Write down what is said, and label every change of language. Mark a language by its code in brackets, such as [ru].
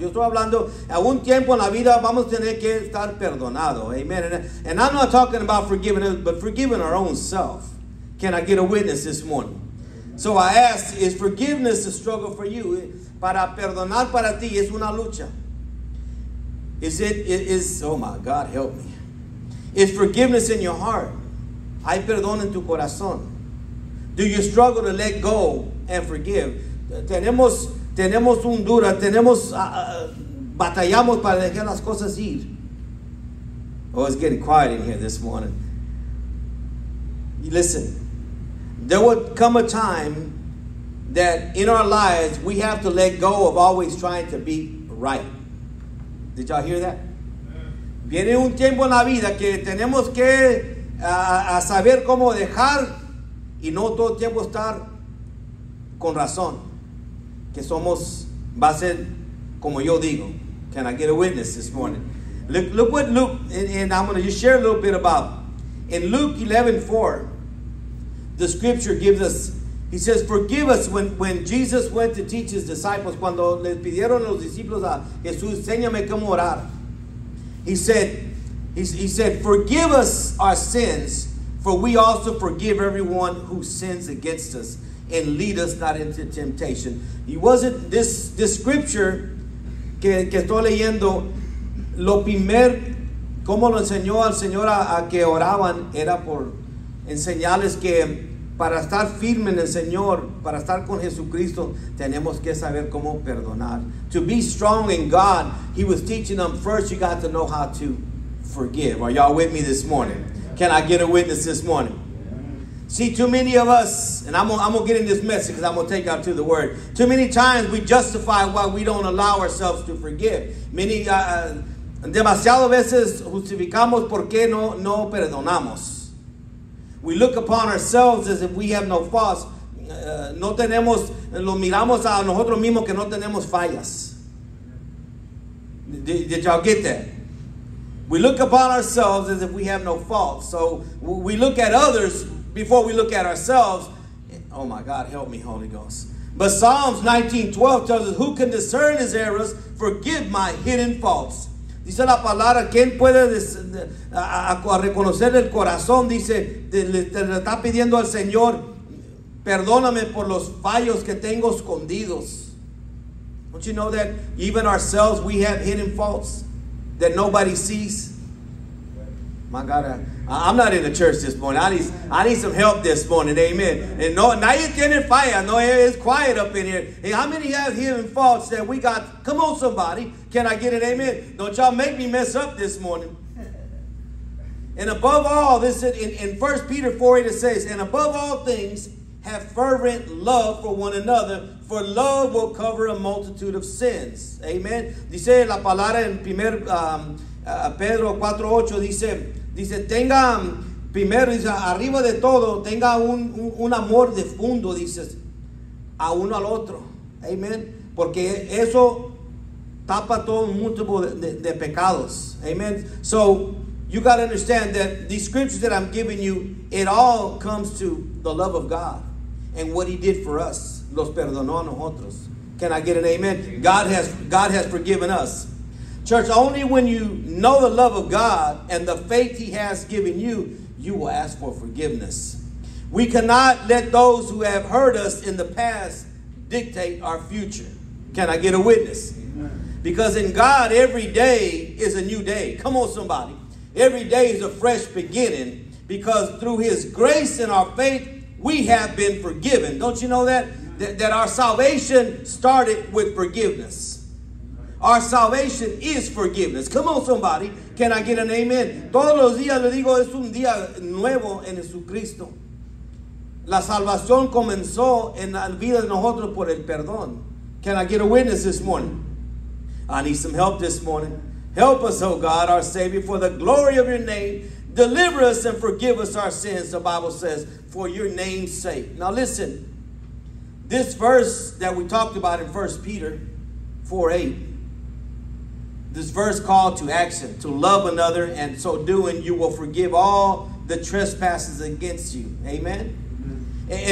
[es] Yo estoy hablando, a un tiempo en la vida vamos a tener que estar perdonado. [en] Amen. And I'm not talking about forgiving us, but forgiving our own self. Can I get a witness this morning? So I asked, is forgiveness a struggle for you? [es] Para perdonar para ti es una lucha. [en] Oh my God, help me. Is forgiveness in your heart? [es] Hay perdón en tu corazón. [en] Do you struggle to let go and forgive? [es] Tenemos un dura, batallamos para dejar las cosas ir. [en] Oh, it's getting quiet in here this morning. Listen. There would come a time that in our lives we have to let go of always trying to be right. Did y'all hear that? [es] Viene un tiempo en la vida que tenemos que saber cómo dejar y no todo el tiempo estar con razón. Que somos, va a ser como yo digo. [en] Can I get a witness this morning? Look what Luke, and I'm going to just share a little bit about. In Luke 11:4. The scripture gives us, he says, forgive us. When Jesus went to teach his disciples, [es] cuando le pidieron los discípulos a Jesús, enséñame cómo orar. [en] He said, forgive us our sins, for we also forgive everyone who sins against us, and lead us not into temptation. He wasn't, this scripture [es] que estoy leyendo, lo primer, como lo enseñó al Señor a que oraban, era por enseñarles que Para estar firme en el Señor, para estar con Jesucristo, tenemos que saber cómo perdonar. [en] To be strong in God, he was teaching them, first you got to know how to forgive. Are y'all with me this morning? Can I get a witness this morning? See, too many of us, and I'm going to get in this message because I'm going to take y'all to the word. Too many times we justify why we don't allow ourselves to forgive. [es] Demasiado veces justificamos por qué no perdonamos. [en] We look upon ourselves as if we have no faults. [es] No tenemos, lo miramos a nosotros mismos que no tenemos fallas. [en] Did y'all get that? We look upon ourselves as if we have no faults. So we look at others before we look at ourselves. Oh my God, help me, Holy Ghost. But Psalms 19:12 tells us, who can discern his errors? Forgive my hidden faults. [es] Dice la palabra, ¿quién puede a reconocer el corazón? Dice, le está pidiendo al Señor, perdóname por los fallos que tengo escondidos. [en] Don't you know that even ourselves, we have hidden faults that nobody sees? My God, I'm not in the church this morning. I need some help this morning. Amen. And no, [es] nadie tiene falla. [en] No, it's quiet up in here. Hey, how many have hidden faults that we got? Come on, somebody. Can I get an amen? Don't y'all make me mess up this morning. And above all, this is in 1 Peter 4:8, it says, and above all things, have fervent love for one another, for love will cover a multitude of sins. Amen. [es] Dice la palabra en primer Pedro 4:8 dice tenga primero, dice, arriba de todo, tenga un amor de fondo, dice, a uno al otro. Amen. Porque eso tapa todo un multitud de pecados. Amen. [en] So you got to understand that these scriptures that I'm giving you, it all comes to the love of God and what he did for us. [es] Los perdonó a nosotros. [en] Can I get an amen? God has forgiven us. Church, only when you know the love of God and the faith he has given you, you will ask for forgiveness. We cannot let those who have hurt us in the past dictate our future. Can I get a witness? Because in God, every day is a new day. Come on, somebody. Every day is a fresh beginning because through his grace and our faith, we have been forgiven. Don't you know that? That our salvation started with forgiveness. Our salvation is forgiveness. Come on, somebody. Can I get an amen? [es] Todos los días le digo, es un día nuevo en Jesucristo. La salvación comenzó en la vida de nosotros por el perdón. [en] Can I get a witness this morning? I need some help this morning. Help us, oh God, our Savior, for the glory of your name. Deliver us and forgive us our sins, the Bible says, for your name's sake. Now listen, this verse that we talked about in 1 Peter 4:8, this verse called to action, to love another, and so doing, you will forgive all the trespasses against you. Amen? Mm-hmm.